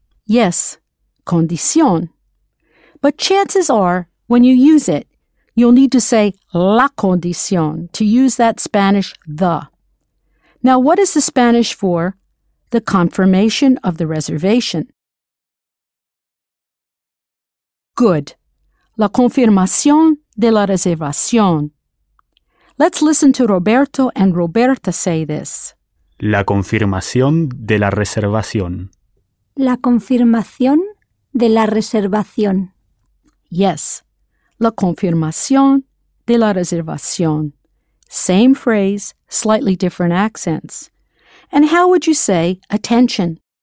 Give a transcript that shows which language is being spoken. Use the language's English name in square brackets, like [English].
[English] Yes, condición. But chances are, when you use it, you'll need to say la condición to use that Spanish the. Now, what is the Spanish for the confirmation of the reservation? Good. [Spanish] La confirmación de la reservación. [English] Let's listen to Roberto and Roberta say this. [Spanish] La confirmación de la reservación. La confirmación de la reservación. [English] Yes. [Spanish] La confirmación de la reservación. [English] Same phrase, slightly different accents. And how would you say attention?